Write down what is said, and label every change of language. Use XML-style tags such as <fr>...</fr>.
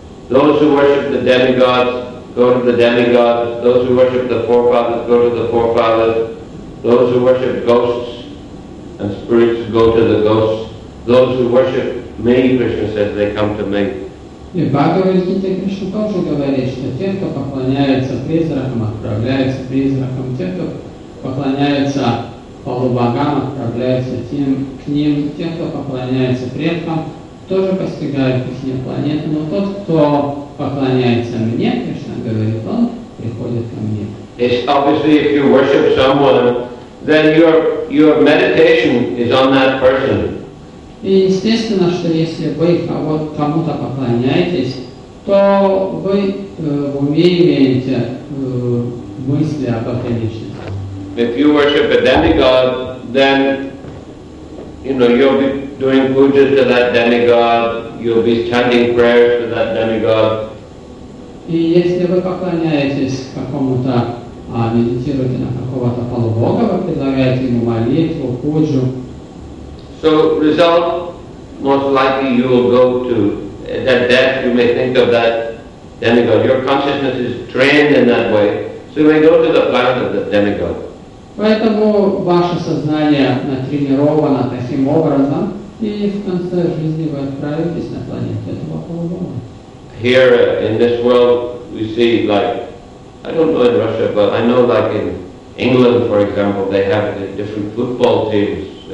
<en>Those who worship the demigods go to the demigods. Those who worship the forefathers go to the forefathers. Those who worship ghosts and spirits go to the ghosts. Those who worship me, Krishna says, they come to me.</en> <ru>И в Бхагавад Гите Кришна тоже говорит, что те, кто поклоняется призракам, отправляются призракам, те, кто поклоняется полубогам, отправляются к ним, те, кто поклоняется предкам, тоже постигают их планеты. Но тот, кто поклоняется мне, Кришна говорит, он приходит ко мне.</ru> <en>It's obviously if you worship someone, then your meditation is on that person.</en> <ru>И естественно, что если вы кому-то поклоняетесь, то вы в уме имеете мысли об этой личности.</ru> <en>If you worship a demigod, then you know you'll be doing puja to that demigod, you'll be chanting prayers to that demigod.</en> <ru>И если вы поклоняетесь какому-то, медитируете на какого-то полубога, вы предлагаете ему молитву, пуджу.</ru> <en>So result, most likely you will go to that death, you may think of that demigod. Your consciousness is trained in that way. So you may go to the planet of the demigod.</en> <ru>Поэтому ваше сознание натренировано таким образом, и в конце жизни вы отправитесь на планету этого полубога.</ru> <en>Here in this world we see like, I don't know in Russia, but I know like in England, for example, they have the different football teams.</en>